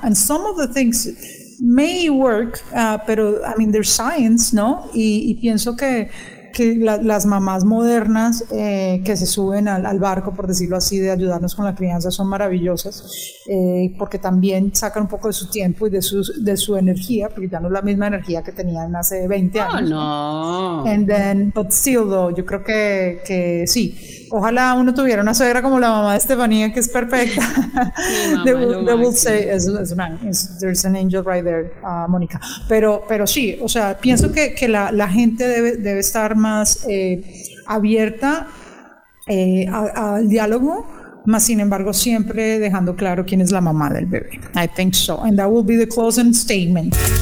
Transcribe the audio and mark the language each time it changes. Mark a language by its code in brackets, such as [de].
[en] And some of the things may work, [es] pero, [en] I mean, there's science, [es] ¿no? Y pienso que las mamás modernas que se suben al barco, por decirlo así, de ayudarnos con la crianza, son maravillosas, porque también sacan un poco de su tiempo y de su energía, porque ya no es la misma energía que tenían hace 20 años. [en] Oh, no. And then, but still, though, [es] yo creo que sí. Ojalá uno tuviera una suegra como la mamá de Estefanía, que es perfecta. [en] They will say, there's an angel right there, Mónica. [es] Pero sí, o sea, pienso que la gente debe estar más abierta al diálogo, más sin embargo siempre dejando claro quién es la mamá del bebé. [en] I think so. And that will be the closing statement.